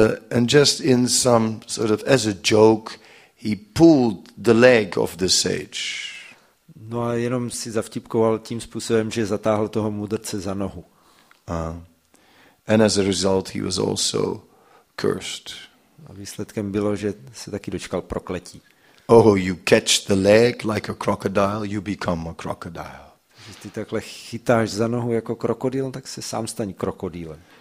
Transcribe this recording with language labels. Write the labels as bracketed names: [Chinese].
[English] And just in some sort of as a joke he pulled the leg of the sage. [Czech] No a jenom si zavtipkoval tím způsobem, že zatáhl toho mudrce za nohu. [English] And as a result he was also cursed. [Czech] A výsledkem bylo, že se taky dočkal prokletí. [English] Oh, you catch the leg like a crocodile, you become a crocodile. [Czech] Když ty takhle chytáš za nohu jako krokodýl, tak se sám staň krokodýlem.